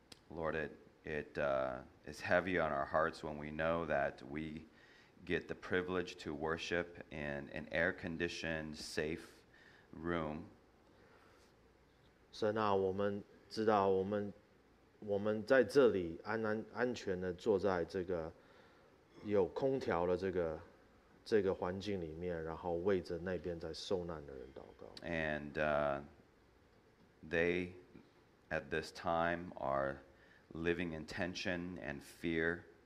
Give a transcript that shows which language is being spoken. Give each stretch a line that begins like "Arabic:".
English: Lord, it is heavy on our hearts when we know that we get the privilege to worship in an air-conditioned, safe room.
Chinese: 神啊, 我们知道我们在这里安全地坐在这个有空调的这个环境里面, 然后为着那边在受难的人祷告。
English: And they, at this time, are living in tension and fear.